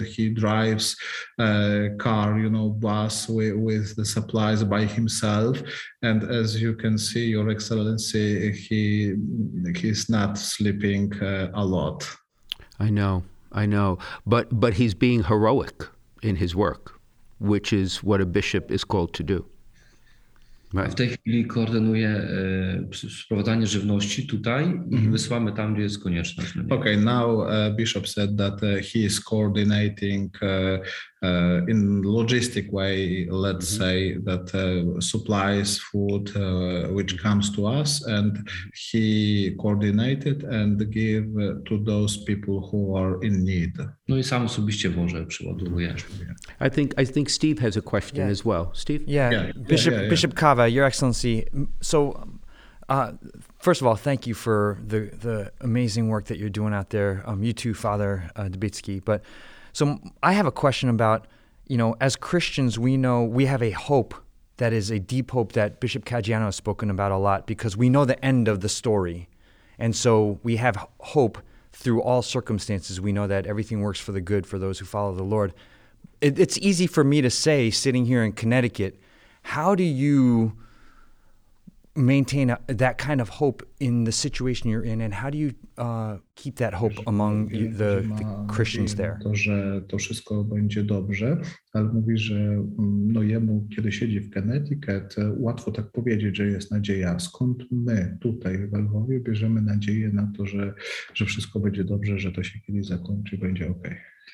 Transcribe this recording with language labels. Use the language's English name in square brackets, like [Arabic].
[English] He drives a car, you know, bus with the supplies by himself. And as you can see, Your Excellency, he's not sleeping a lot. I know. But he's being heroic in his work, which is what a bishop is called to do. Right. [Polish] W tej chwili koordynuję sprowadzanie żywności tutaj i wysyłamy tam, gdzie jest konieczne. [English] Okay, now Bishop said that he is coordinating In logistic way, let's say that supplies food which comes to us, and he coordinated and give to those people who are in need. [Polish] No i sam osobiście może przyładowuje. [English] I think Steve has a question as well. Steve? Bishop Kaveh, Your Excellency. So first of all, thank you for the amazing work that you're doing out there. You too, Father Dubitsky. But so I have a question about, you know, as Christians, we know we have a hope that is a deep hope that Bishop Caggiano has spoken about a lot, because we know the end of the story. And so we have hope through all circumstances. We know that everything works for the good for those who follow the Lord. It's easy for me to say, sitting here in Connecticut, how do you maintain that kind of hope in the situation you're in, and how do you keep that hope among the Christians there? [Polish] To, że to wszystko będzie dobrze, ale mówi, że no jemu, kiedy siedzi w Connecticut, łatwo tak powiedzieć, że jest nadzieja. Skąd my tutaj w Lwowie bierzemy nadzieję na to, że wszystko będzie dobrze, że to się kiedyś zakończy, będzie okej? [English] Okay.